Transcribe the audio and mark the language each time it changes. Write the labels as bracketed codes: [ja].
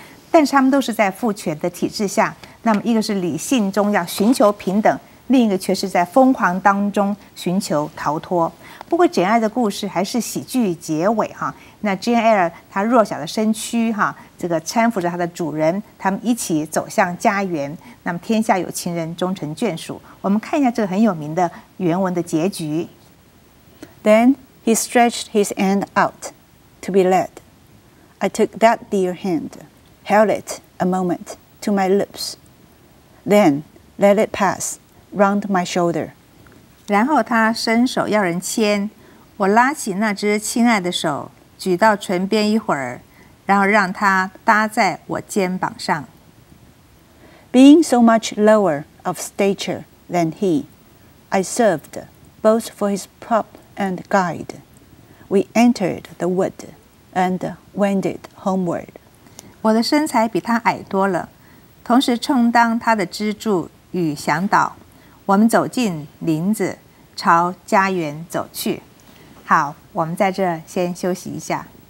[zh] 但是他们都是在父权的体制下，那么一个是理性中要寻求平等，另一个却是在疯狂当中寻求逃脱。不过简爱的故事还是喜剧结尾哈。那 Jane Eyre 她弱小的身躯哈，这个搀扶着她的主人，他们一起走向家园，那么天下有情人终成眷属。我们看一下这个很有名的原文的结局。 [en] Then he stretched his hand out to be led. I took that dear hand, held it a moment to my lips, then let it passround my shoulder. [zh] 然后他伸手要人牵，我拉起那只亲爱的手，举到唇边一会儿，然后让他搭在我肩膀上。 [en] Being so much lower of stature than he, I served both for his prop and guide. We entered the wood and wended homeward. [zh] 我的身材比他矮多了，同时充当他的支柱与向导。我们走进林子，朝家园走去。好，我们在这先休息一下。